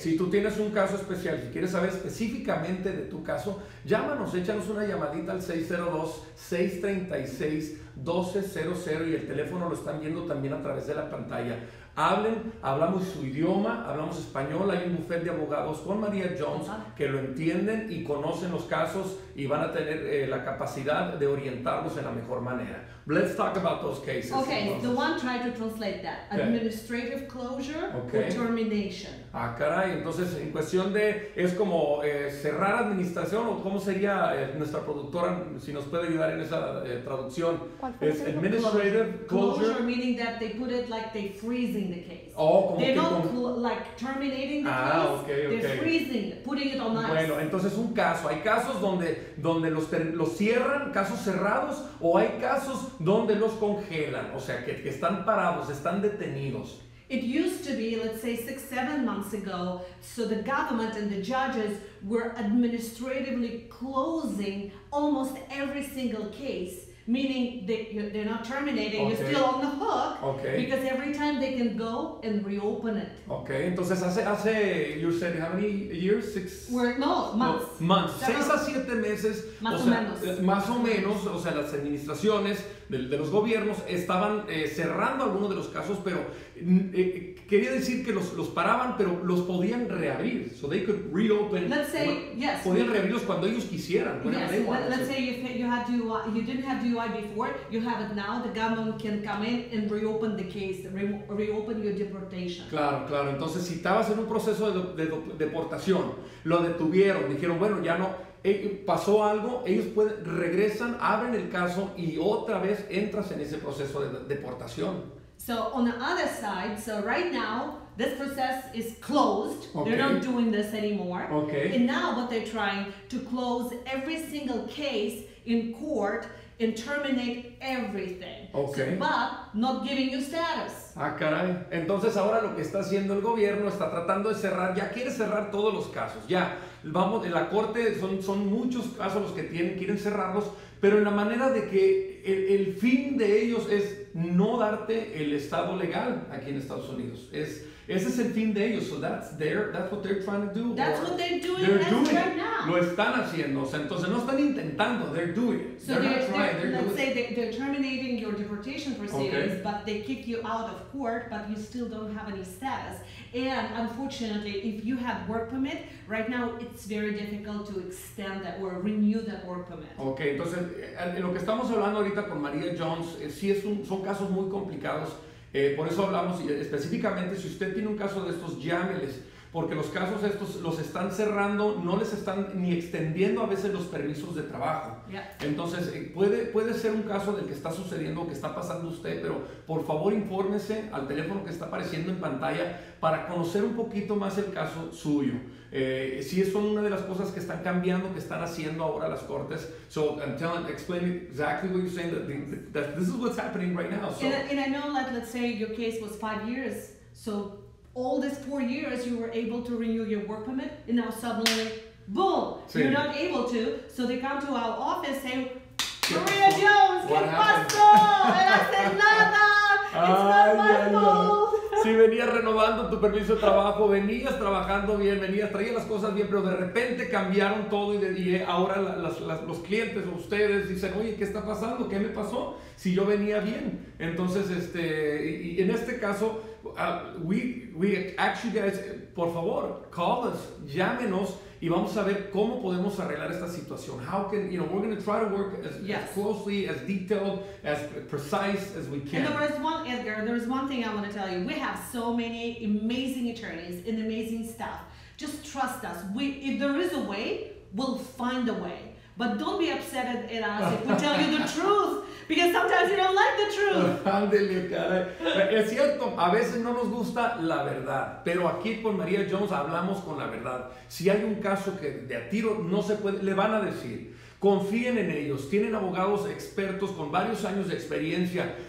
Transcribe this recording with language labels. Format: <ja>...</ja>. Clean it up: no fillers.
<es>Si tú tienes un caso especial, si quieres saber específicamente de tu caso, llámanos, échanos una llamadita al 602-636-1200 y el teléfono lo están viendo también a través de la pantalla. Hablamos su idioma, hablamos español, hay un bufete de abogados con Maria Jones que lo entienden y conocen los casos y van a tener la capacidad de orientarlos en la mejor manera.</es> <en>Let's talk about those cases. Okay, the one tried to translate that. Okay. Administrative closure or termination.</en> <es>Ah, caray. Entonces, en cuestión de, es como cerrar administración, o cómo sería nuestra productora, si nos puede ayudar en esa traducción.</es> <en>Es administrative closure. Closure meaning that they put it like they're freezing the case.</en> <es>Oh, como</es> <en>they're</en> <es>que...</es> <en>They're not like terminating the case. Okay. They're freezing, putting it on ice.</en> <es>Bueno, entonces un caso. Hay casos donde los cierran, casos cerrados, o hay casos donde los congelan, o sea, que están parados, están detenidos.</es> <en>It used to be, let's say, 6-7 months ago, so the government and the judges were administratively closing almost every single case, meaning they're not terminating, you're still on the hook, because every time they can go and reopen it. Okay,</en> <es>entonces hace,</es> <en>you said, how many years? Months.</en> <es>No, months. 6-7 meses. Más o menos. O sea, las administraciones de los gobiernos estaban cerrando algunos de los casos, pero quería decir que los paraban, pero los podían reabrir.</es> <en>So they could reopen. Let's say, yes.</en> <es>Podían reabrirlos cuando ellos quisieran.</es> <en>Yes, let's say you had DUI, you didn't have DUI before, you have it now, the government can come in and reopen the case, reopen your deportation.</en> <es>Claro, claro. Entonces, si estabas en un proceso de deportación, lo detuvieron, dijeron, bueno, ya no... pasó algo, ellos pueden, regresan, abren el caso y otra vez entras en ese proceso de deportación.</es> <en>So on the other side, so right now this process is closed. Okay. They're not doing this anymore. Okay. And now what they're trying to close every single case in court and terminate everything. Okay. So, but not giving you status.</en> <es>Ah, caray. Entonces ahora lo que está haciendo el gobierno está tratando de cerrar, ya quiere cerrar todos los casos, ya. Vamos, en la corte son muchos casos los que tienen, quieren cerrarlos, pero en la manera de que el fin de ellos es no darte el estado legal aquí en Estados Unidos. Ese es el fin de ellos.</es> <en>So that's what they're trying to do. That's what they're doing. They're doing right now.</en> <es>Lo están haciendo. O sea, entonces no están intentando.</es> <en>They're doing. So they're terminating your deportation proceedings, okay. But they kick you out of court, but you still don't have any status. And unfortunately, if you have work permit, right now it's very difficult to extend that or renew that work permit. Okay.</en> <es>Entonces, en lo que estamos hablando ahorita con Maria Jones, sí es son casos muy complicados. Por eso hablamos, específicamente, si usted tiene un caso de estos, llámeles, porque los casos estos los están cerrando, no les están ni extendiendo a veces los permisos de trabajo.</es> <en>Yeah.</en> <es>Entonces, puede ser un caso del que está sucediendo o que está pasando usted, pero por favor infórmese al teléfono que está apareciendo en pantalla para conocer un poquito más el caso suyo. Si es una de las cosas que están cambiando, que están haciendo ahora las cortes.</es> <en>So I'm telling, explaining exactly what you're saying, that this is what's happening right now. So. And I know that, let's say your case was 5 years, so all these 4 years you were able to renew your work permit, and now suddenly, boom, sí. You're not able to. So they come to our office and say, Maria Jones,</en> <es>¿qué pasó? ¡Nada! Sí, venías renovando tu permiso de trabajo, venías trabajando bien, venías traía las cosas bien, pero de repente cambiaron todo y ahora los clientes o ustedes dicen, oye, ¿qué está pasando? ¿Qué me pasó? Si yo venía bien. Entonces, y en este caso,</es> <en>we actually, guys,</en> <es>por favor,</es> <en>call us,</en> <es>llámenos y vamos a ver cómo podemos arreglar esta situación.</es> <en>How can, you know, we're going to try to work as closely, as detailed, as precise as we can. And there is one, Edgar, there is one thing I want to tell you. We have so many amazing attorneys and amazing staff. Just trust us. If there is a way, we'll find a way. But don't be upset at us if we tell you the truth. Because sometimes you don't like the truth.</en> <es>Ándele, caray. Es cierto, a veces no nos gusta la verdad. Pero aquí con Maria Jones hablamos con la verdad. Si hay un caso que de a tiro no se puede, le van a decir. Confíen en ellos. Tienen abogados expertos con varios años de experiencia.</es>